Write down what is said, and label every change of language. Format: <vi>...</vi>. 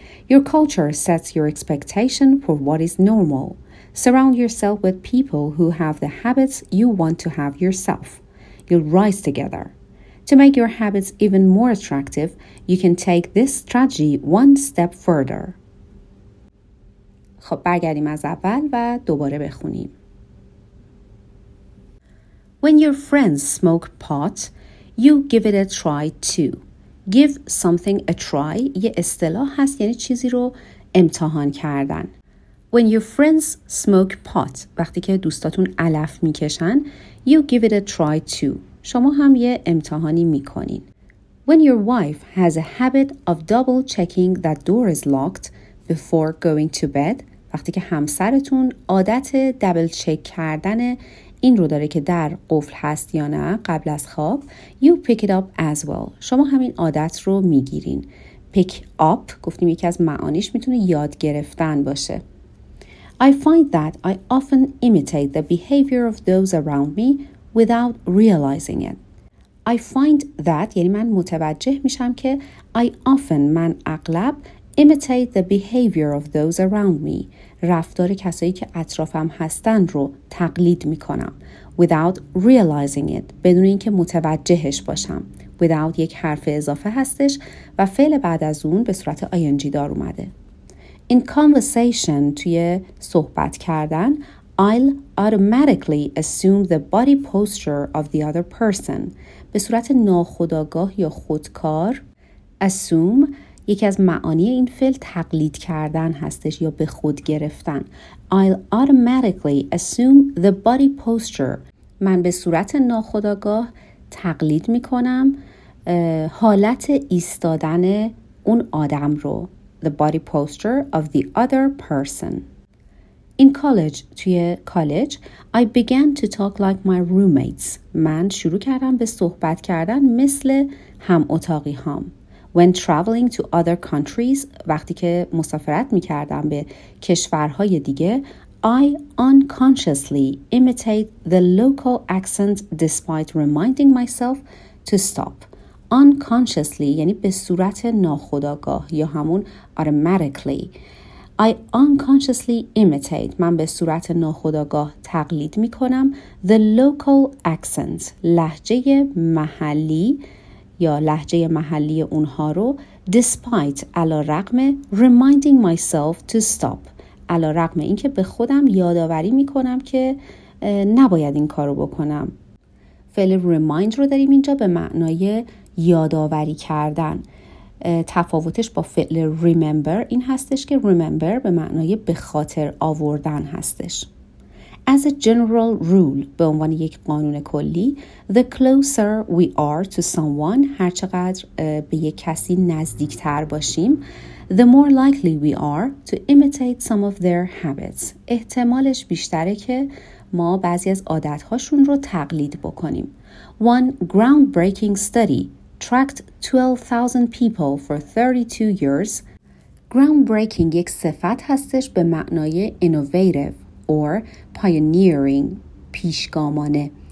<en>Your culture sets your expectation for what is normal. Surround yourself with people who have the habits you want to have yourself. You'll rise together. To make your habits even more attractive, you can take this strategy one step further.</en> <fa>خب برگردیم از اول و دوباره بخونیم.</fa> <en>When your friends smoke pot, you give it a try too. Give something a try</en> <fa>یه اصطلاح هست، یعنی چیزی رو امتحان کردن.</fa> <en>When your friends smoke pot،</en> <fa>وقتی که دوستاتون علف میکشن،</fa> <en>you give it a try too،</en> <fa>شما هم یه امتحانی میکنین.</fa> <en>When your wife has a habit of double checking that door is locked before going to bed،</en> <fa>وقتی که همسرتون عادت دبل چک کردن این رو داره که در قفل هست یا نه قبل از خواب،</fa> <en>you pick it up as well،</en> <fa>شما همین عادت رو میگیرین.</fa> <en>Pick up</en> <fa>گفتیم یکی از معانیش میتونه یاد گرفتن باشه.</fa> <en>I find that I often imitate the behavior of those around me without realizing it. I find that</en> <fa>یعنی من متوجه میشم که من اغلب</fa> <en>imitate the behavior of those around me،</en> <fa>رفتار کسایی که اطرافم هستند رو تقلید میکنم.</fa> <en>Without realizing it،</en> <fa>بدون اینکه متوجهش باشم. Without یک حرف اضافه هستش و فعل بعد از اون به صورت ing دار اومده.</fa> <en>In conversation،</en> <fa>توی صحبت کردن،</fa> <en>I'll automatically assume the body posture of the other person،</en> <fa>به صورت ناخودآگاه یا خودکار. Assume یکی از معانی این فعل تقلید کردن هستش یا به خود گرفتن.</fa> <en>I'll automatically assume the body posture،</en> <fa>من به صورت ناخودآگاه تقلید میکنم حالت ایستادن اون آدم رو.</fa> <en>The body posture of the other person. In college،</en> <fa>توی کالج،</fa> <en>I began to talk like my roommates،</en> <fa>من شروع کردم به صحبت کردن مثل هم اتاقی هام.</fa> <en>When traveling to other countries,</en> <fa>وقتی که مسافرت می‌کردم به کشورهای دیگه,</fa> <en>I unconsciously imitate the local accent despite reminding myself to stop.</en> <fa>Unconsciously یعنی به صورت ناخودآگاه یا همون automatically.</fa> <en>I unconsciously imitate,</en> <fa>من به صورت ناخودآگاه تقلید می‌کنم</fa> <en>the local accent,</en> <fa>لهجه محلی یا لهجه محلی اونها رو, despite علارغم</fa> <en>reminding myself to stop,</en> <fa>علارغم اینکه به خودم یادآوری می‌کنم که نباید این کارو بکنم. فعل remind رو داریم اینجا به معنای یادآوری کردن. تفاوتش با فعل remember این هستش که remember به معنای به خاطر آوردن هستش.</fa> <en>As a general rule,</en> <fa>به عنوان یک قانون کلی,</fa> <en>the closer we are to someone,</en> <fa>هر چقدر به یک کسی نزدیکتر باشیم,</fa> <en>the more likely we are to imitate some of their habits.</en> <fa>احتمالش بیشتره که ما بعضی از عادتهاشون رو تقلید بکنیم.</fa> <en>One groundbreaking study tracked 12,000 people for 32 years.</en> <fa>Groundbreaking یک صفت هستش به معنای</fa> <en>innovative or pioneering,</en> <fa>پیشگامانه.</fa>